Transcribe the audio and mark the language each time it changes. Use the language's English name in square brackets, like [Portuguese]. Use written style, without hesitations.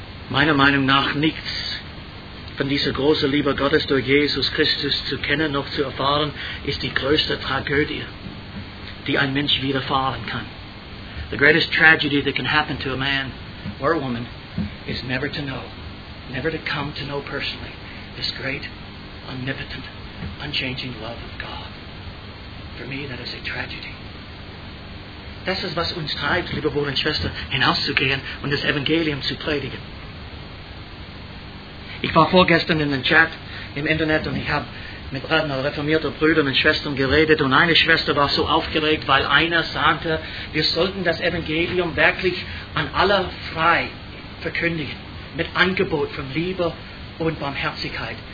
[German] Meiner Meinung nach nichts von dieser großen Liebe Gottes durch Jesus Christus zu kennen, noch zu erfahren, ist die größte Tragödie, die ein Mensch widerfahren kann. [English] The greatest tragedy that can happen to a man or a woman is never to know, never to come to know personally, this great, omnipotent, unchanging love of God. For me, that is a tragedy. [German] Das ist, was uns treibt, liebe Bruder und Schwester, hinauszugehen und das Evangelium zu predigen. Ich war vorgestern in den Chat im Internet und ich habe mit reformierten Brüdern und Schwestern geredet und eine Schwester war so aufgeregt, weil einer sagte, wir sollten das Evangelium wirklich an alle frei verkündigen, mit Angebot von Liebe und Barmherzigkeit.